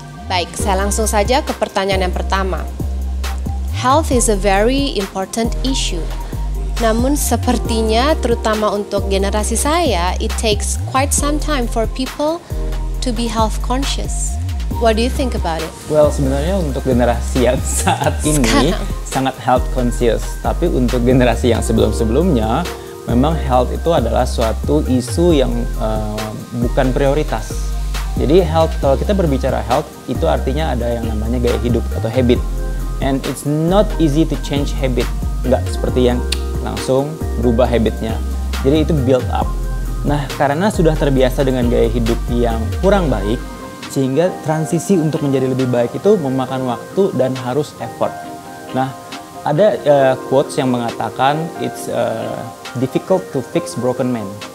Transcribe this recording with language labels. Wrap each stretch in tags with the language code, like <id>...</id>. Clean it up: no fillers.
<id>Baik, saya langsung saja ke pertanyaan yang pertama.</id> <en>Health is a very important issue.</en> <id>Namun sepertinya terutama untuk generasi saya,</id> <en>it takes quite some time for people to be health conscious. What do you think about it?</en> <id>Well, sebenarnya untuk generasi yang saat ini sekarang sangat health conscious. Tapi untuk generasi yang sebelum-sebelumnya, memang health itu adalah suatu isu yang bukan prioritas. Jadi health, kalau kita berbicara health, itu artinya ada yang namanya gaya hidup atau habit.</id> <en>And it's not easy to change habit.</en> <id>Nggak seperti yang langsung berubah habitnya. Jadi itu build up. Nah, karena sudah terbiasa dengan gaya hidup yang kurang baik, sehingga transisi untuk menjadi lebih baik itu memakan waktu dan harus effort. Nah, ada quotes yang mengatakan,</id> <en>it's difficult to fix broken men.</en>